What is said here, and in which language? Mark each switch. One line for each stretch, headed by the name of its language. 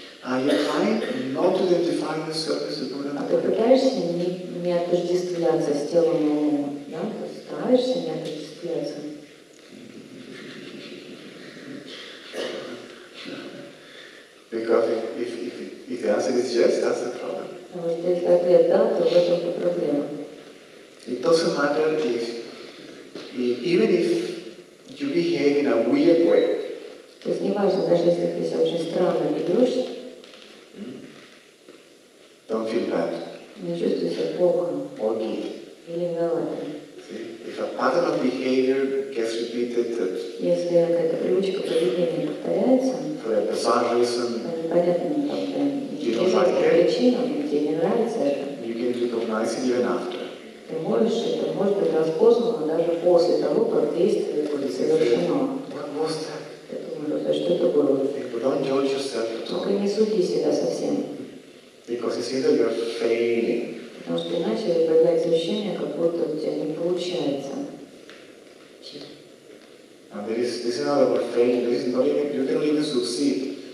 Russian: Я знаю, но ты идентифицируешься с телом. А ты пытаешься не отождествляться с телом, да? Ты стараешься не отождествляться.
English: Because if the answer is yes, that's a problem.
Russian: А вот если ответ да, то в этом то проблема.
English: It doesn't matter if you behave in a weird way.
Russian: То есть не важно, даже если ты себя очень странно ведешь.
English: Don't feel bad.
Russian: Не чувствуй себя плохо.
English: Or good.
Russian: Или виноватым.
English: See, if a pattern of behavior gets repeated,
Russian: если какая-то привычка поведения повторяется,
English: for a bizarre reason, you can recognize it even after.
Russian: Ты можешь, это может быть распознано даже после того, как действие будет совершено. Что это было?
English: But don't judge yourself at all.
Russian: Только не суди себя совсем.
English: Because it's either you're failing.
Russian: Потому что иначе возникает ощущение, как будто у тебя не получается.
English: And this is not about failing. This is not even, you can only succeed.